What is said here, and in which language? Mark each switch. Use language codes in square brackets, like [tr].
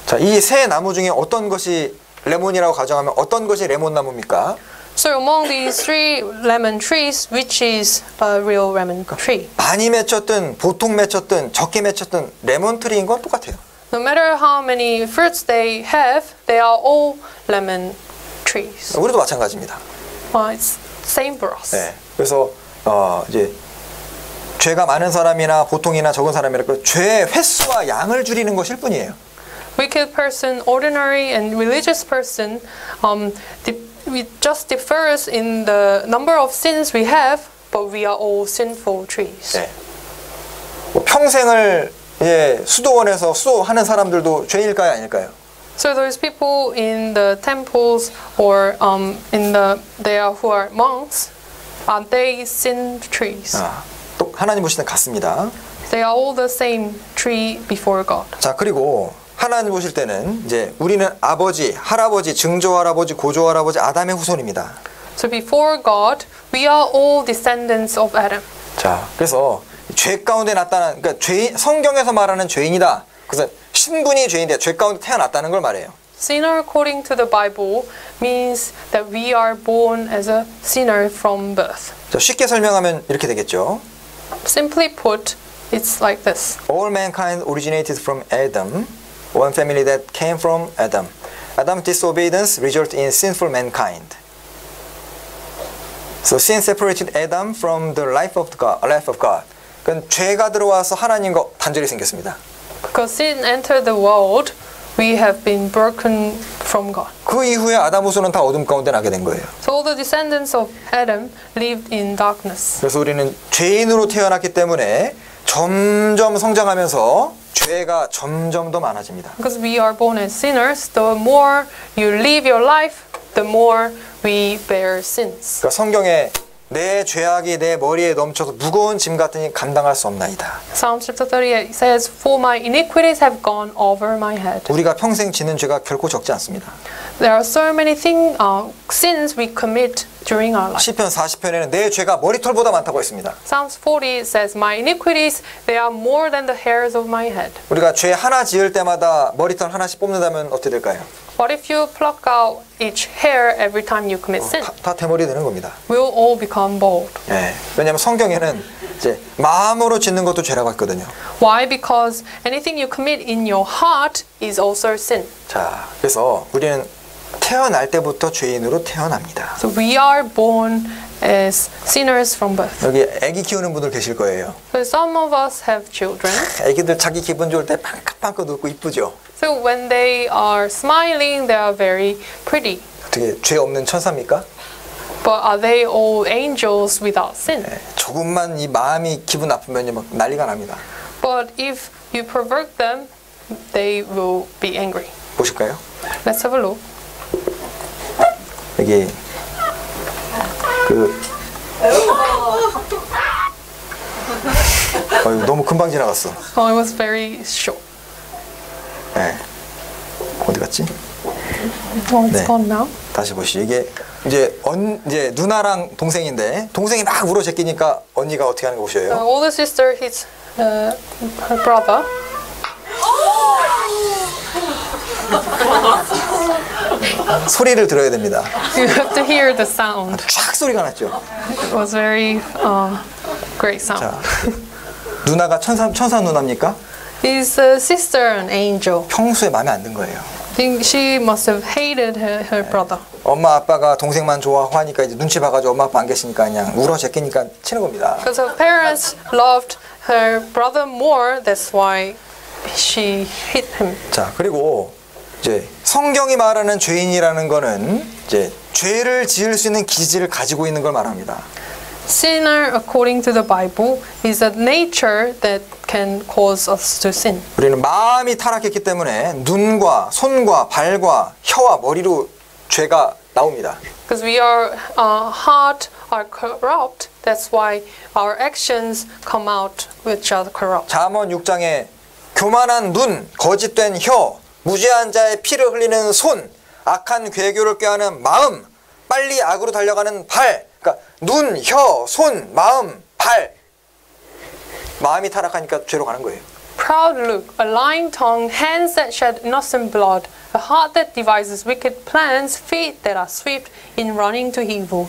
[ko] 자, 이 세 나무 중에 어떤 것이 레몬이라고 가정하면 어떤 것이 레몬 나무입니까? [en] So among these three lemon trees, which is a real lemon tree? [ko] 많이 맺혔든 보통 맺혔든 적게 맺혔든 레몬 트리인 건 똑같아요. [en] No matter how many fruits they have, they are all lemon trees. [ko] 우리도 마찬가지입니다. [en] Well, it's same for us. [ko] 네, 그래서 이제 죄가 많은 사람이나 보통이나 적은 사람이라 그 죄의 횟수와 양을 줄이는 것일 뿐이에요. [en] Wicked person, ordinary and religious person, we just differs in the number of sins we have, but we are all sinful trees. [ko] 네. 뭐 평생을 예, 수도원에서 수도하는 사람들도 죄일까요, 아닐까요? [en] So those people in the temples or in the they are who are monks, are they sin trees? [ko] 아, 또 하나님 보시는 같습니다. [en] They are all the same tree before God. [ko] 자, 그리고 하나님 보실 때는 이제 우리는 아버지, 할아버지, 증조할아버지, 고조할아버지, 아담의 후손입니다. [en] So before God, we are all descendants of Adam. [ko] 자, 그래서 죄 가운데 났다는 그러니까 죄인 성경에서 말하는 죄인이다. 그래서 신분이 죄인이다. 죄 가운데 태어났다는 걸 말해요. [en] Sinner according to the Bible means that we are born as a sinner from birth. [ko] 자, 쉽게 설명하면 이렇게 되겠죠. [en] Simply put, it's like this. All mankind originated from Adam. One family that came from Adam. Adam's disobedience resulted in sinful mankind. So sin separated Adam from the life of God. Life of God. [ko] 그건 죄가 들어와서 하나님과 단절이 생겼습니다. [en] Because sin entered the world, we have been broken from God. [ko] 그 이후에 아담 후손은 다 어둠 가운데 나게 된 거예요. [en] So all the descendants of Adam lived in darkness. [ko] 그래서 우리는 죄인으로 태어났기 때문에 점점 성장하면서 죄가 점점 더 많아집니다. [en] Because we are born as sinners, the more you live your life, the more we bear sins. [ko] 그러니까 성경에 내 죄악이 내 머리에 넘쳐서 무거운 짐 같으니 감당할 수 없나이다. [en] Psalm chapter 38 says, For my iniquities have gone over my head. [ko] 우리가 평생 지는 죄가 결코 적지 않습니다. [en] There are so many things, sins we commit during our life. [ko] 시편 40편에는 내 죄가 머리털보다 많다고 했습니다. [en] Psalms 40 says, My iniquities they are more than the hairs of my head. [ko] 우리가 죄 하나 지을 때마다 머리털 하나씩 뽑는다면 어떻게 될까요? [en] What if you pluck out each hair every time you commit sin? [ko] 다 대머리 되는 겁니다. [en] We'll all become bald. [ko] 네, 왜냐하면 성경에는 이제 마음으로 짓는 것도 죄라고 했거든요. [en] Why? Because anything you commit in your heart is also sin. [ko] 자, 그래서 우리는 태어날 때부터 죄인으로 태어납니다. [en] So we are born as sinners from birth. [ko] 여기 아기 키우는 분들 계실 거예요. [en] So some of us have children. [ko] 아기들 자기 기분 좋을 때 빵긋빵긋 웃고 이쁘죠. [en] So when they are smiling, they are very pretty. [ko] 어떻게 죄 없는 천사입니까? [en] But are they all angels without sin? 네, [ko] 조금만 이 마음이 기분 나쁘면 막 난리가 납니다. [en] But if you provoke them, they will be angry. [ko] 보실까요? [en] Let's have a look. [ko] 여기 그 아유, 너무 금방 지나갔어. [en] Oh, I was very short. [ko] 네. 어디 갔지? [en] Oh, it's gone now. [ko] 다시 보시. 이게 이제 이제 누나랑 동생인데 동생이 막 울어 제끼니까 언니가 어떻게 하는 거 보셔요? [en] The older sister hits her brother. Oh! [ko] 소리를 들어야 됩니다. [en] You have to hear the sound. [ko] 촥 소리가 났죠. [en] It was very great sound. 자, [ko] 누나가 천사 누나입니까? [en] Is a sister an angel? [ko] 평소에 마음에 안 든 거예요. [en] Think she must have hated her brother. [ko] 엄마 아빠가 동생만 좋아하니까 이제 눈치 봐가지고 엄마 아빠 안 계시니까 그냥 울어 제끼니까 치는 겁니다. [en] Because her parents loved her brother more, that's why she hit him. [ko] 자, 그리고 이제 성경이 말하는 죄인이라는 거는 이제 죄를 지을 수 있는 기질을 가지고 있는 걸 말합니다. [en] Sinner, according to the Bible, is a nature that can cause us to sin. [ko] 우리는 마음이 타락했기 때문에 눈과 손과 발과 혀와 머리로 죄가 나옵니다. [en] Because we are heart are corrupt, that's why our actions come out which are corrupt. [ko] 잠언 6장에 교만한 눈, 거짓된 혀, 무죄한 자의 피를 흘리는 손, 악한 궤교를 꾀하는 마음, 빨리 악으로 달려가는 발. 눈, 혀, 손, 마음, 발. 마음이 타락하니까 죄로 가는 거예요. [en] Proud look, a lying tongue, hands that shed innocent blood, a heart that devises wicked plans, feet that are swift in running to evil.